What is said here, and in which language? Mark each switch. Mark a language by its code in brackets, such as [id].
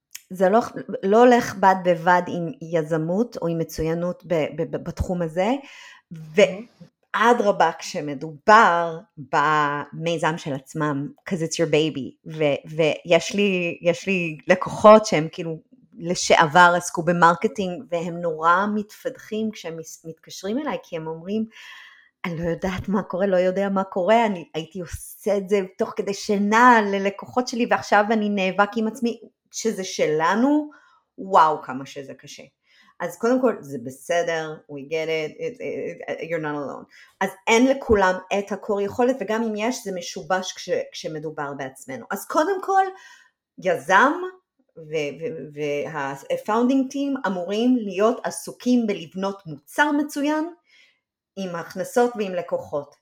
[he] זה לא הולך בד בבד עם יזמות או עם מצוינות בתחום הזה, ועד רבה כשמדובר במיזם של עצמם, [en] because it's your baby, [he] ויש לי לקוחות שהם כאילו לשעבר עסקו במרקטינג, והם נורא מתפדחים כשהם מתקשרים אליי, כי הם אומרים, אני לא יודעת מה קורה, לא יודע מה קורה, אני הייתי עושה את זה תוך כדי שינה ללקוחות שלי, ועכשיו אני נאבק עם עצמי, שזה שלנו, וואו כמה שזה קשה. אז קודם כל, זה בסדר, [en] we get it, you're not alone. [he] אז אין לכולם את הקור יכולת, וגם אם יש, זה משובש כשמדובר בעצמנו. אז קודם כל, יזם וה-founding team אמורים להיות עסוקים בלבנות מוצר מצוין, עם הכנסות ועם לקוחות.